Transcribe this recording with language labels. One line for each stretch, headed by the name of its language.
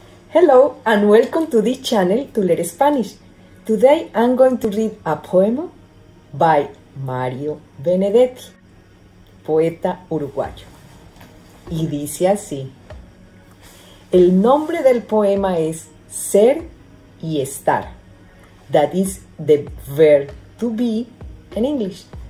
English: Hello and welcome to this channel to learn Spanish. Today I'm going to read a poem by Mario Benedetti,
Spanish: poeta uruguayo. Y dice así. El nombre del poema es Ser y Estar.
English: That is the verb to be in English.